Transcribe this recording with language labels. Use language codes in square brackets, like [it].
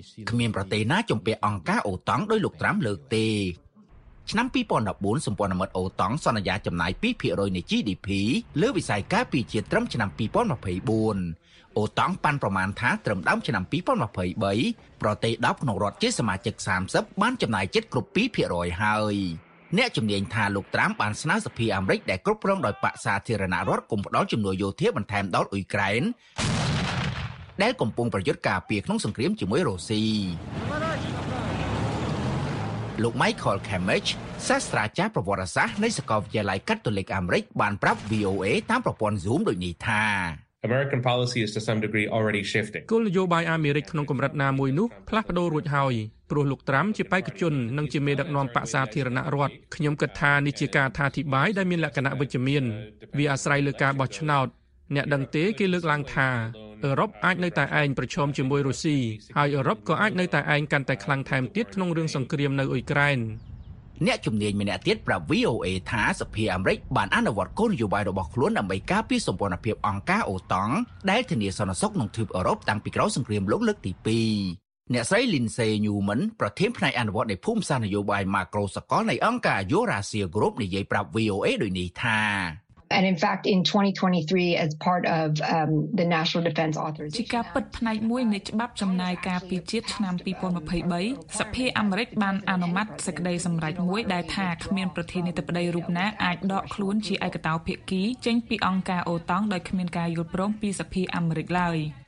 [km] គ្មានប្រទេសណាជំពាក់អង្គការអូតង់ដោយលោកត្រាំលើកទេឆ្នាំ2014សម្ព័ន្ធមិត្តអូតង់សន្យាចំណាយ 2% នៃ GDP លើវិស័យការពារជាត្រឹមឆ្នាំ2024អូតង់បានប្រមាណថាត្រឹមដើមឆ្នាំ2023ប្រទេស10ក្នុងរដ្ឋជាសមាជិក30បានចំណាយចិត្តគ្រប់ 2% ហើយអ្នកជំនាញថាលោកត្រាំបានស្នើសភាអាមេរិកដែលគ្រប់គ្រងដោយបក្សសាធារណរដ្ឋគុំផ្ដល់ជំនួយយោធាបន្ថែមដល់អ៊ុយក្រែន ដែលកំពុងប្រយុទ្ធការពារក្នុងសង្គ្រាមជាមួយរុស្ស៊ីលោក Michael Cambridge សាស្ត្រាចារ្យប្រវត្តិសាស្ត្រនៃសាកលវិទ្យាល័យ Catholic អាមេរិកបានប្រាប់ VOA តាមប្រព័ន្ធ Zoom ដូចនេះថា [en] American policy is to some degree already shifting [km] គោលនយោបាយអាមេរិកក្នុងកម្រិតណាមួយនោះផ្លាស់ប្ដូររួចហើយព្រោះលោកត្រាំជាបេក្ខជននិងជាមេដឹកនាំបក្សសាធារណរដ្ឋខ្ញុំគិតថានេះជាការថាធិបាយដែលមានលក្ខណៈវិជ្ជមានវាអាស្រ័យលើការបោះឆ្នោតអ្នកដឹងទេគេលើកឡើងថាអឺរ៉ុបអាចនៅតែឯងប្រឈមជាមួយរុស្ស៊ីហើយអឺរ៉ុបក៏អាចនៅតែឯងកាន់តែខ្លាំងថែមទៀតក្នុងរឿងសង្គ្រាមនៅអ៊ុយក្រែន អ្នកជំនាញម្នាក់ទៀតប្រាប់ VOA ថាសភាអាមេរិកបានអនុវត្តគោលនយោបាយរបស់ខ្លួនដើម្បីការពារសម្ព័ន្ធភាពអង្គការអូតង់ដែលធានាសន្តិសុខក្នុងទ្វីបអឺរ៉ុបតាំងពីក្រោយសង្គ្រាមលោកលើកទី2អ្នកស្រី Lindsay Newman ប្រធានផ្នែកអនុវត្តនៃភូមិសាស្ត្រនយោបាយម៉ាក្រូសកលនៃអង្គការ Eurasia Group និយាយប្រាប់ VOA ដូចនេះថា [en] And in fact in 2023 as part of the national defense authorization [km] ជាពិតផ្នែកមួយនៃច្បាប់ចំណាយការពារជាតិឆ្នាំ2023សភាអាមេរិកបានអនុម័តសេចក្តីសម្រេចមួយដែលថាគ្មានប្រធានាធិបតីរូបណាអាចដកខ្លួនជាឯកតោភាគីចេញពីអង្គការអូតង់ដោយគ្មានការយល់ព្រមពីសភាអាមេរិកឡើយ